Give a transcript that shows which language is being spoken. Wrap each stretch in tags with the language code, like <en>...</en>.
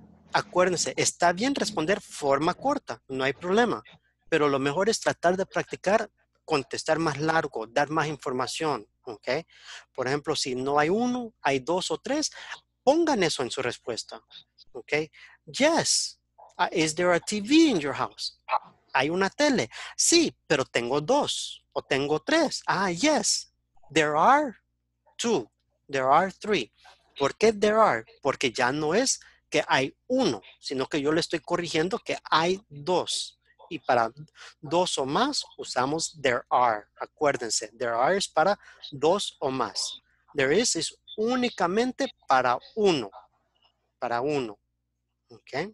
<es>Acuérdense, está bien responder forma corta, no hay problema. Pero lo mejor es tratar de practicar, contestar más largo, dar más información. Okay. Por ejemplo, si no hay uno, hay dos o tres, pongan eso en su respuesta. Okay.</es> <en>Yes, is there a TV in your house?</en> <es>¿Hay una tele? Sí, pero tengo dos o tengo tres.</es> <en>Ah, yes, there are two, there are three.</en> <es>¿Por qué there are? Porque ya no es que hay uno, sino que yo le estoy corrigiendo que hay dos. Y para dos o más usamos there are. Acuérdense, there are es para dos o más. There is únicamente para uno. Para uno. Ok.</es>